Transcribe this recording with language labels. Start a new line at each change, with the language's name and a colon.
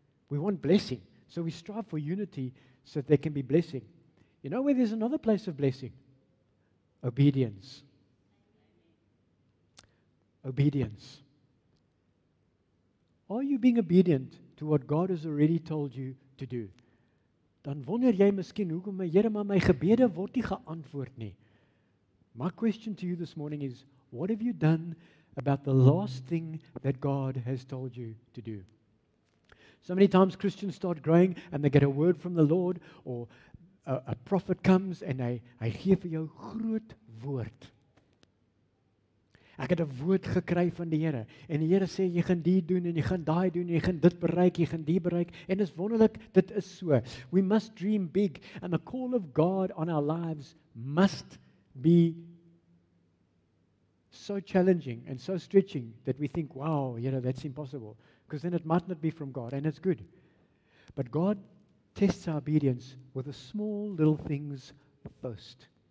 English: We want blessing, so we strive for unity so that there can be blessing. You know where there's another place of blessing? Obedience. Obedience. Are you being obedient to what God has already told you to do?
Afrikaans: Dan wonder jy miskien hoekom my Here maar my gebede word nie geantwoord nie.
English: My question to you this morning is, what have you done about the last thing that God has told you to do? So many times Christians start growing and they get a word from the Lord, or a prophet comes and
Afrikaans: hy gee vir jou groot woord. Ek het 'n woord gekry van die Here, en die Here sê, jy gaan die doen, en jy gaan die doen, en jy gaan dit bereik, jy gaan die bereik, en is wonderlik, dit is so.
English: We must dream big, and the call of God on our lives must be so challenging and so stretching that we think, "Wow, you know, that's impossible," because then it might not be from God, and it's good. But God tests our obedience with the small little things first.